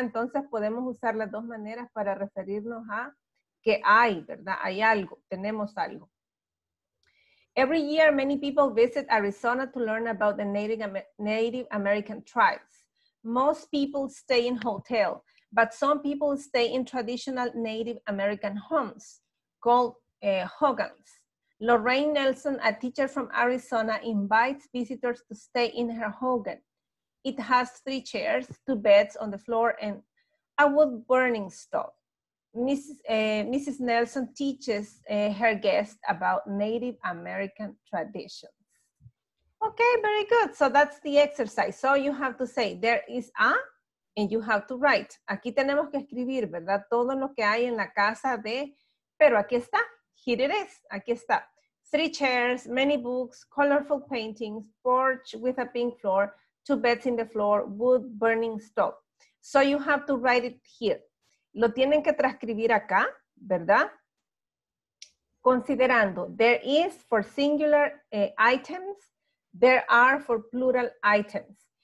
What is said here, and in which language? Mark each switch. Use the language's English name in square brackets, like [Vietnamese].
[Spanish] Entonces podemos usar las dos maneras para referirnos a que hay, ¿verdad? Hay algo, tenemos algo. [English] Every year, many people visit Arizona to learn about the Native American tribes. Most people stay in hotel, but some people stay in traditional Native American homes called hogans. Lorraine Nelson, a teacher from Arizona, invites visitors to stay in her hogan. It has three chairs, two beds on the floor, and a wood-burning stove. Mrs. Nelson teaches her guests about Native American traditions. Okay, very good. So that's the exercise. So you have to say, there is a, and you have to write. [Spanish] Aquí tenemos que escribir, ¿verdad? Todo lo que hay en la casa de, pero aquí está. [English] Here it is, [Spanish] aquí está. [English] Three chairs, many books, colorful paintings, porch with a pink floor, two beds in the floor, wood burning stove. So you have to write it here. [Spanish] Lo tienen que transcribir acá, ¿verdad? Considerando, [English] there is for singular items, there are for plural items.